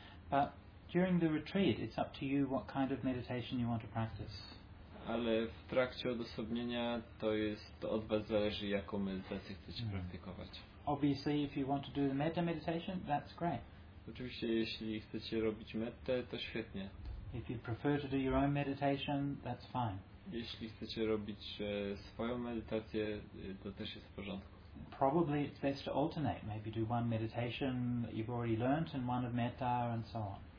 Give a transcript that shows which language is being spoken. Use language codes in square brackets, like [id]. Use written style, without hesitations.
[en] But during the retreat, it's up to you what kind of meditation you want to practice. [pl] Ale w trakcie odosobnienia to jest to od was zależy, jaką medytację chcecie praktykować. [en] Obviously, if you want to do the metta meditation, that's great. [pl] Oczywiście, jeśli chcecie robić mettę, to świetnie. [en] If you prefer to do your own meditation, that's fine. [pl] Jeśli chcecie robić swoją medytację, to też jest w porządku. [en] Probably it's best to alternate. Maybe do one meditation that you've already learnt and one of metta and so on.